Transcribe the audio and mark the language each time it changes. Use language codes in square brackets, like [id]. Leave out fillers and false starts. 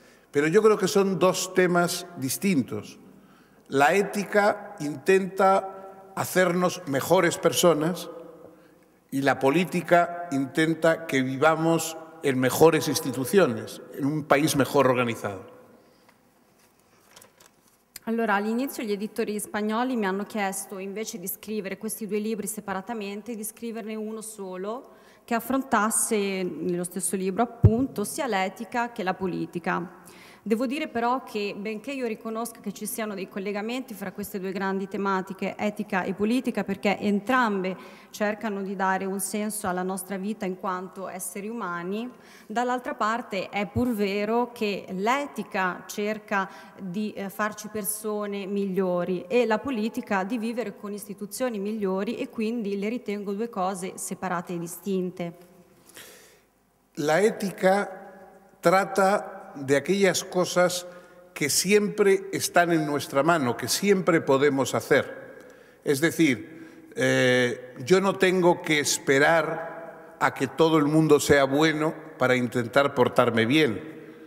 [es] Pero yo creo que son dos temas distintos. La ética intenta hacernos mejores personas y la política intenta que vivamos en mejores instituciones, en un país mejor organizado. [it] Allora, all'inizio gli editori spagnoli mi hanno chiesto, invece di scrivere questi due libri separatamente, di scriverne uno solo che affrontasse nello stesso libro, appunto, sia l'etica che la politica. Devo dire però che, benché io riconosca che ci siano dei collegamenti fra queste due grandi tematiche, etica e politica, perché entrambe cercano di dare un senso alla nostra vita in quanto esseri umani, dall'altra parte è pur vero che l'etica cerca di farci persone migliori e la politica di vivere con istituzioni migliori, e quindi le ritengo due cose separate e distinte. [es] La etica tratta de aquellas cosas que siempre están en nuestra mano, que siempre podemos hacer. Es decir, yo no tengo que esperar a que todo el mundo sea bueno para intentar portarme bien.